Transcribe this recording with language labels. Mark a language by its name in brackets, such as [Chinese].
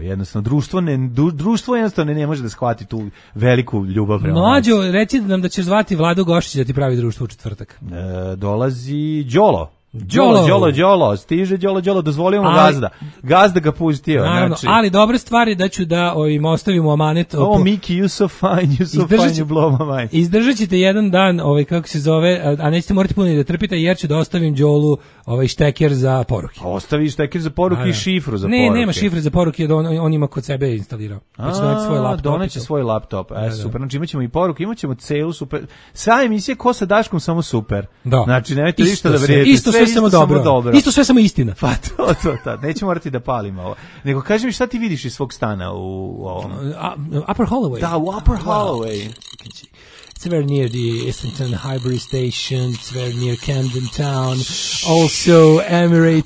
[Serbian] Jednostavno, društvo jednostavno ne može da shvati tu veliku ljubav. Mlađu, reci nam da ćeš zvati Vladu Gošić da ti pravi društvo u četvrtak. Dolazi Đolo. Đolo, stiže Đolo, dozvolimo ali, gazda. Gazda ga pustio. Naravno, znači, ali dobra stvar je da ću da im ostavimo amanet. [English] Oh, Miki, you so fine, you blow my mind. [Serbian] Izdržat ćete jedan dan, kako se zove, a nećete morati puno da trpite, jer ću da ostavim Đolu šteker za poruke. Ostavi šteker za poruke i šifru za ne, poruke. Ne, nema šifre za poruke, jer on ima kod sebe instalirao. Doneće svoj laptop. Super, znači imat ćemo i poruke, imat ćemo celu super. Sva emisija ko sa Daškom, samo super. Da. Znači, nemajte ništa da vrijedite. Sve samo dobro. Isto sve samo istina. Pa to. Neću morati da palim ovo. Nego kaži mi šta ti vidiš iz svog stana u ovom... [English] Upper Holloway. [Serbian] Da, u Upper Holloway. [English] It's very near the Islington Highbury Station, it's very near Camden Town, also Emirates